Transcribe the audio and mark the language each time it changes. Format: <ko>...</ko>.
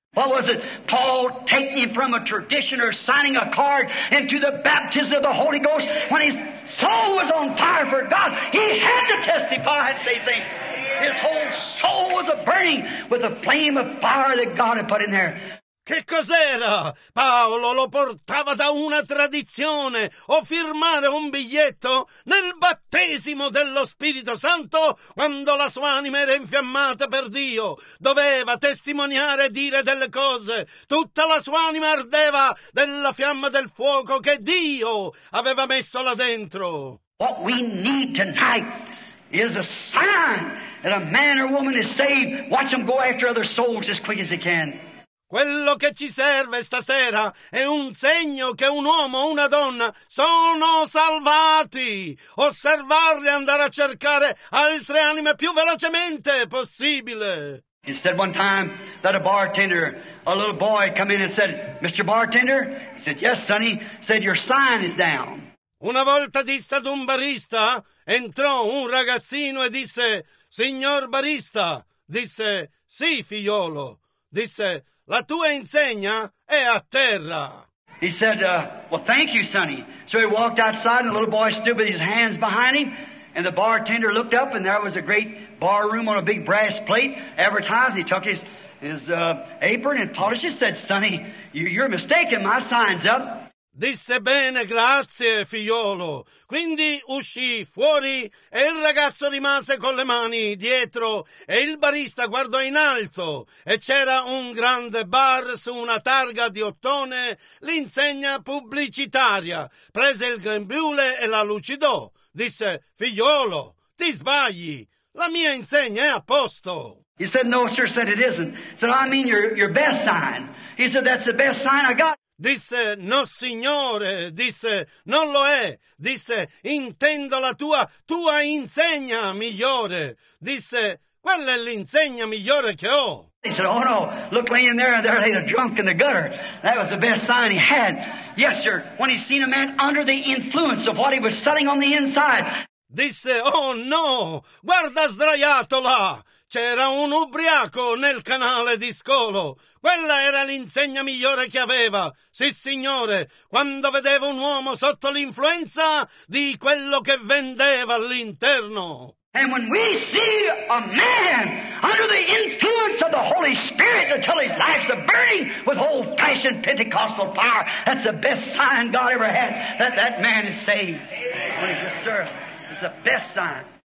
<en>What was it? Paul taking him from a tradition or signing a card into the baptism of the Holy Ghost when his soul was on fire for God. He had to testify and say things. His whole soul was a burning with the flame of fire that God had put in there.</en> <it>Che cos'era? Paolo lo portava da una tradizione o firmare un biglietto nel battesimo dello Spirito Santo quando la sua anima era infiammata per Dio. Doveva testimoniare e dire delle cose. Tutta la sua anima ardeva della fiamma del fuoco che Dio aveva messo là dentro.</it> <en>What we need tonight is a sign that a man or woman is saved. Watch them go after other souls as quick as they can.</en> <it>Quello che ci serve stasera è un segno che un uomo o una donna sono salvati. Osservarli e andare a cercare altre anime più velocemente possibile.</it> <en>He said one time that a bartender, a little boy, come in and said, Mr. Bartender? He said, yes, sonny. He said, your sign is down.</en> <it>Una volta disse ad un barista, entrò un ragazzino e disse, signor barista. Disse, sì, figliolo. Disse, la tua insegna è a terra.</it> <en>He said, well, thank you, sonny. So he walked outside and the little boy stood with his hands behind him. And the bartender looked up and there was a great bar room on a big brass plate advertising. He took his apron and polished it. Said, sonny, you're mistaken. My sign's up.</en> <it>Disse bene, grazie, figliolo. Quindi uscì fuori e il ragazzo rimase con le mani dietro e il barista guardò in alto e c'era un grande bar su una targa di ottone, l'insegna pubblicitaria. Prese il grembiule e la lucidò. Disse, figliolo, ti sbagli, la mia insegna è a posto.</it> <en>He said, no, sir, said it isn't. Said, I mean your best sign. He said, that's the best sign I got.</en> <it>Disse, no signore, disse, non lo è, disse, intendo la tua insegna migliore, disse, quella è l'insegna migliore che ho.</it> <en>He said, oh no, look laying there, there lay a drunk in the gutter, that was the best sign he had. Yes sir, when he seen a man under the influence of what he was selling on the inside.</en> <it>Disse, oh no, guarda sdraiato là. C'era un ubriaco nel canale di scolo. Quella era l'insegna migliore che aveva. Sì, signore, quando vedeva un uomo sotto l'influenza di quello che vendeva all'interno.</it> <en>And when we see a man under the influence of the Holy Spirit until his life's a burning with old-fashioned Pentecostal fire, that's the best sign God ever had that man is saved. When he just served, it's the best sign.</en>